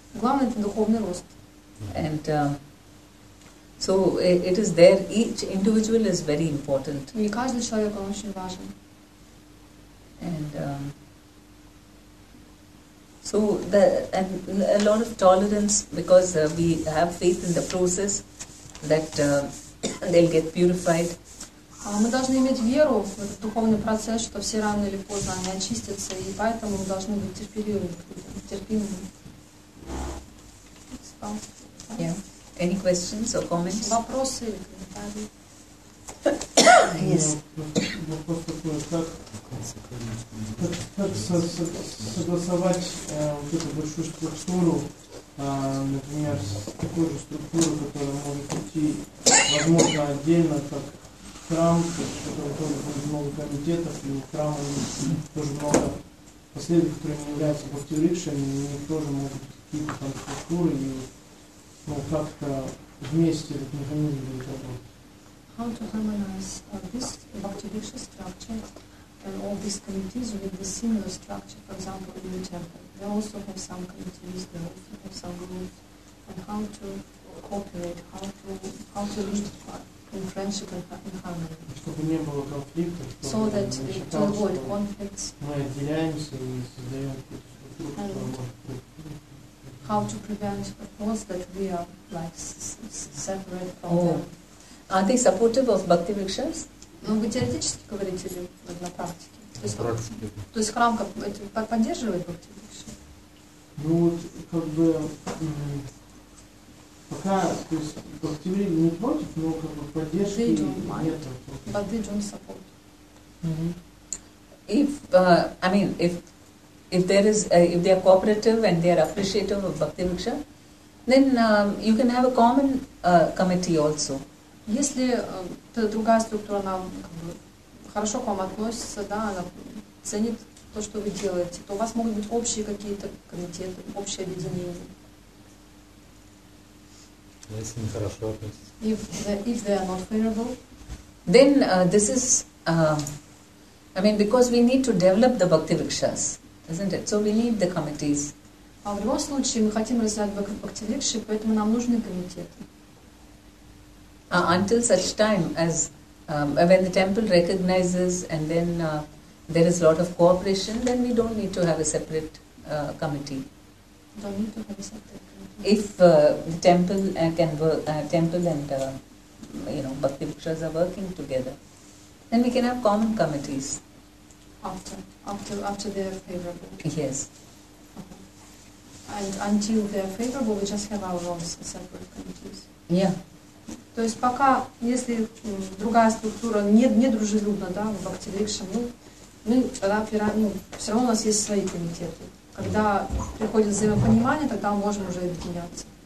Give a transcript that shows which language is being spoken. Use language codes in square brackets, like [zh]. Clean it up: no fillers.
[ru] Главное это духовный рост. [en] And so it is there. Each individual is very important. [ru] И каждый человек он очень важен. [en] And so the and a lot of tolerance because we have faith in the process that they'll get purified. [ru] Мы должны иметь веру в этот духовный процесс, что все рано или поздно они очистятся, и поэтому мы должны быть терпимыми. [en] Yeah. Any questions or comments? [ru] Вопросы или комментарии? [en] Yes. [ru] Вопрос такой, как согласовать вот эту большую структуру, например, с такой же структурой, которая может идти, возможно, отдельно, как храм, в котором тоже будет много комитетов, и у храма тоже много последователей, которые не являются бхакти-рикшами, у них тоже могут быть какие-то там структуры, и ну, как-то вместе этот механизм будет работать. [en] How to harmonize this bhakti-riksha structure and all these committees with the similar structure, for example, in the temple. They also have some committees, they also have some groups, and how to cooperate, how to live in friendship and in harmony. [ru] Чтобы не было конфликта, [en] so that to avoid conflicts. [ru] Мы отделяемся и создаем какую-то структуру. [en] How to prevent thoughts that we are like separate from them. Are they supportive of bhakti rikshas? [ru] Ну, вы теоретически говорите или на практике? То есть храм как это поддерживает бхакти рикши? Ну вот как бы пока то есть бхакти рикши не против, но как бы поддержки нет. [en] But they don't support. If I mean if there is if they are cooperative and they are appreciative of bhakti riksha, then you can have a common committee also. [ru] Если другая структура нам как бы, хорошо к вам относится, да, она ценит то, что вы делаете, то у вас могут быть общие какие-то комитеты, общие объединения. Если не хорошо относится. [en] If they are not favorable, then this is, I mean, because we need to develop the bhakti rikshas, isn't it? So we need the committees. [ru] А в любом случае мы хотим развивать бхакти рикши, поэтому нам нужны комитеты. [en] Until such time as when the temple recognizes and then there is a lot of cooperation, then we don't need to have a separate committee. Don't need to have a separate committee. If the temple can work, temple and you know bhakti rikshas are working together, then we can have common committees. After they are favorable. Yes. Okay. And until they are favorable, we just have our own separate committees. Yeah. [ru] То есть пока, если другая структура не дружелюбна, да, в бхакти рикша, ну, мы тогда все равно у нас есть свои комитеты. Когда приходит взаимопонимание, тогда мы можем уже объединяться.